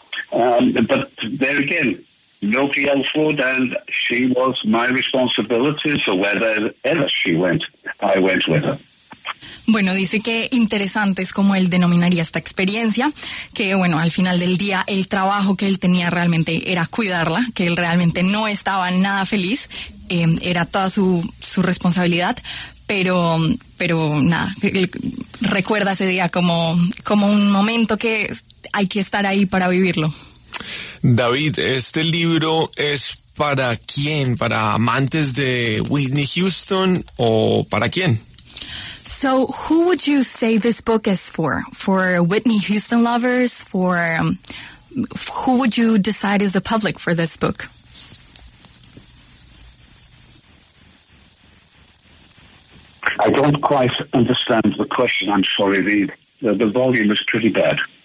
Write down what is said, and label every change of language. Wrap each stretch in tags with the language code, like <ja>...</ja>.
<en>But there again, nobody else would, and she was my responsibility. So wherever ever she went, I went with her.</en> <es>Bueno, dice que interesante es como él denominaría esta experiencia, que bueno, al final del día el trabajo que él tenía realmente era cuidarla, que él realmente no estaba nada feliz, era toda su responsabilidad, pero nada, él recuerda ese día como un momento que hay que estar ahí para vivirlo. David, este libro es ¿para quién? ¿Para amantes de Whitney Houston o para quién?</es> <en>So who would you say this book is for? For Whitney Houston lovers? For who would you decide is the public for this book? I don't quite understand the question. I'm sorry, the volume is pretty bad.</en>